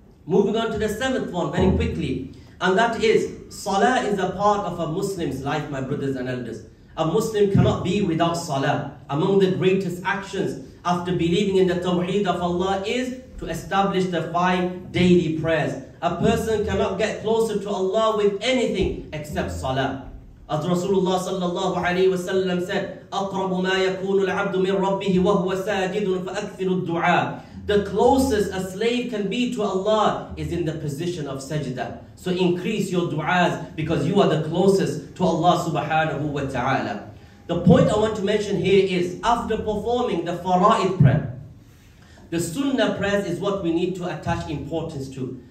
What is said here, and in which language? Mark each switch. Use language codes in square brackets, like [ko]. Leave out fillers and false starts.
[en] Moving on to the seventh one very quickly, and that is, salah is a part of a Muslim's life, my brothers and elders. A Muslim cannot be without salah. Among the greatest actions after believing in the tawheed of Allah is to establish the 5 daily prayers. A person cannot get closer to Allah with anything except salah. As Rasulullah sallallahu alayhi wa sallam said, [ar] أَقْرَبُ مَا يَكُونُ الْعَبْدُ مِنْ رَبِّهِ وَهُوَ سَاجِدٌ فَأَكْثِرُ الدُّعَى. [en] The closest a slave can be to Allah is in the position of sajda. So increase your du'as because you are the closest to Allah subhanahu wa ta'ala. The point I want to mention here is, after performing the fara'id prayer, the sunnah prayers is what we need to attach importance to.